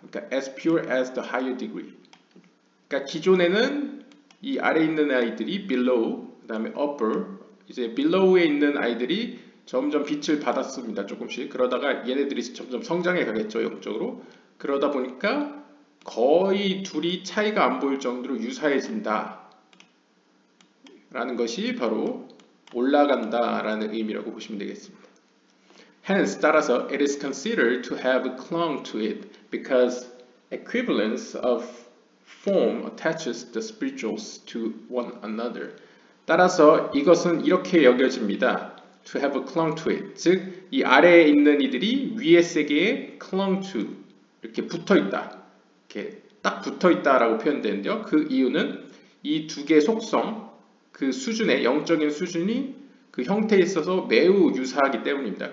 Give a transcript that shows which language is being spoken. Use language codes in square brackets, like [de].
[ko] 그러니까 [en] as pure as the higher degree. [ko] 그러니까 기존에는 이 아래에 있는 아이들이 below, 그 다음에 upper, 이제 below에 있는 아이들이 점점 빛을 받았습니다. 조금씩. 그러다가 얘네들이 점점 성장해 가겠죠. 영적으로. 그러다 보니까 거의 둘이 차이가 안 보일 정도로 유사해진다. 라는 것이 바로 올라간다 라는 의미라고 보시면 되겠습니다. [en] Hence, [ko] 따라서 [en] it is considered to have clung to it because equivalence of form attaches the spirituals to one another. [ko] 따라서 이것은 이렇게 여겨집니다. [en] To have clung to it. [ko] 즉, 이 아래에 있는 이들이 위의 세계에 clung to. 이렇게 붙어 있다. 이렇게 딱 붙어 있다 라고 표현되는데요. 그 이유는 이 두 개의 속성, 그 수준의 영적인 수준이 그 형태에 있어서 매우 유사하기 때문입니다.